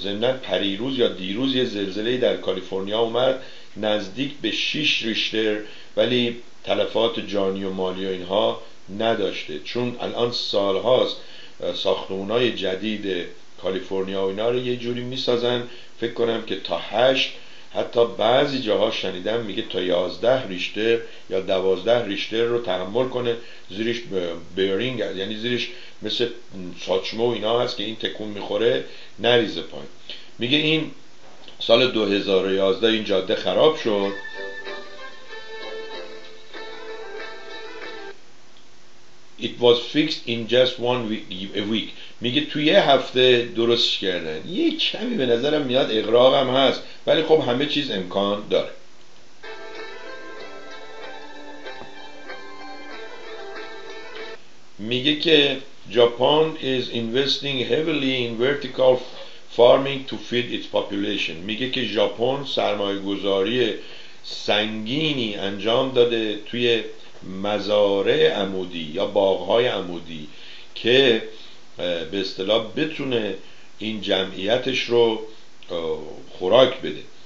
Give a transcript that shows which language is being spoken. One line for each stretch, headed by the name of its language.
Persian: ضمناً پریروز یا دیروز یه زلزله‌ای در کالیفرنیا اومد نزدیک به 6 ریشتر، ولی تلفات جانی و مالی و اینها نداشته، چون الان سالهاست ساختمان‌های جدید کالیفرنیا و اینا رو یه جوری می‌سازن، فکر کنم که تا 8، حتی بعضی جاها شنیدم میگه تا 11 ریشتر یا 12 ریشتر رو تحمل کنه. زیرش بیرینگ هست، یعنی زیرش مثل ساچمو اینا هست که این تکون میخوره نریزه پایین. میگه این سال 2011 این جاده خراب شد.
English: It was fixed in just one week.
Persian: میگه توی یه هفته درستش کردن. یه کمی به نظرم میاد اغراق هم هست، ولی خب همه چیز امکان داره. میگه که
English: Japan is investing heavily in vertical farming to feed its population.
Persian: میگه که ژاپن سرمایه گذاری سنگینی انجام داده توی مزارع عمودی یا باغهای عمودی که به اصطلاح بتونه این جمعیتش رو خوراک بده.